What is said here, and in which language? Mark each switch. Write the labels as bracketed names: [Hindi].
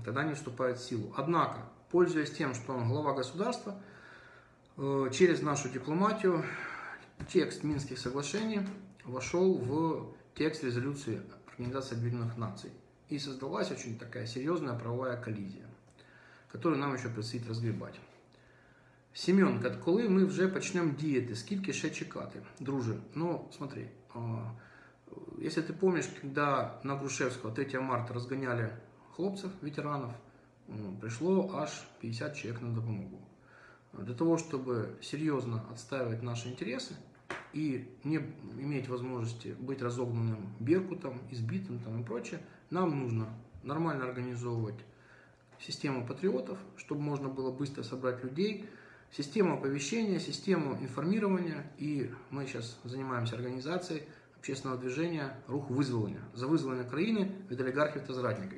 [Russian] Тогда они вступают в силу. Однако, пользуясь тем, что он глава государства, через нашу дипломатию текст Минских соглашений вошел в текст резолюции Организации Объединенных Наций. И создалась очень такая серьезная правовая коллизия, которую нам еще предстоит разгребать. [Ukrainian] Семен, коли мы вже почнем діяти, скільки ще чекати? [Russian] Друже, ну смотри, если ты помнишь, когда на Грушевского 3 марта разгоняли хлопцев, ветеранов, пришло аж 50 человек [Ukrainian] на допомогу. [Russian] Для того, чтобы серьезно отстаивать наши интересы, и не иметь возможности быть разогнанным беркутом, избитым там и прочее, нам нужно нормально организовывать систему патриотов, чтобы можно было быстро собрать людей, систему оповещения, систему информирования, и мы сейчас занимаемся организацией общественного движения «Рух вызволения», за вызволение Украины от олигархов и тазратников.